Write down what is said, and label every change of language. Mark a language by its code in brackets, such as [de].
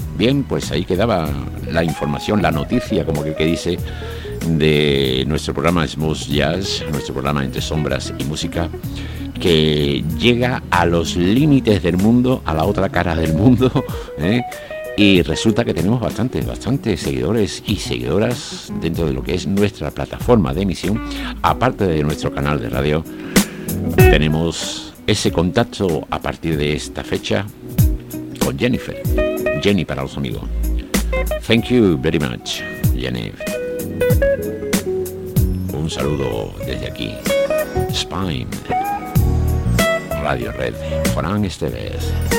[es] Bien, pues ahí quedaba la información, la noticia, como que dice, de nuestro programa Smooth Jazz, nuestro programa Entre Sombras y Música, que llega a los límites del mundo, a la otra cara del mundo, y resulta que tenemos bastantes seguidores y seguidoras dentro de lo que es nuestra plataforma de emisión. Aparte de nuestro canal de radio, tenemos ese contacto a partir de esta fecha con Jennifer. Jenny para los amigos. [en] Thank you very much, Jennifer. [es] Un saludo desde aquí, Spine, Radio Red, Juan Esteves.